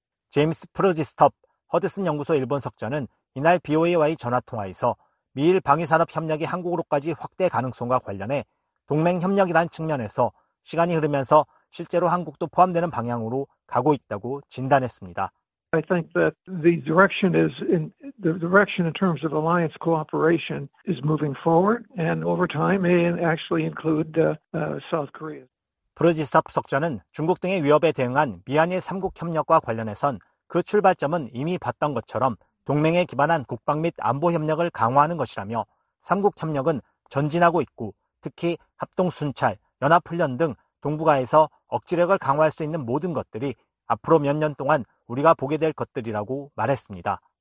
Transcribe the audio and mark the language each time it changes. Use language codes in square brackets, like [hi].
[ko] 제임스 프로지스톱 허드슨 연구소 일본 석좌는 이날 BOA와의 전화통화에서 미일 방위산업협력이 한국으로까지 확대 가능성과 관련해 동맹협력이라는 측면에서 시간이 흐르면서 실제로 한국도 포함되는 방향으로 가고 있다고 진단했습니다. [en] I think that the direction is in the direction in terms of alliance cooperation is moving forward and over time may actually include South Korea. [ko] 프로지스탑 석좌는 중국 등의 위협에 대응한 미한일 3국 협력과 관련해선 그 출발점은 이미 봤던 것처럼 동맹에 기반한 국방 및 안보 협력을 강화하는 것이라며 3국 협력은 전진하고 있고 특히 합동 순찰, 연합 훈련 등 동북아에서 억지력을 강화할 수 있는 모든 것들이 앞으로 몇 년 동안 우리가 보게 될 것들이라고 말했습니다.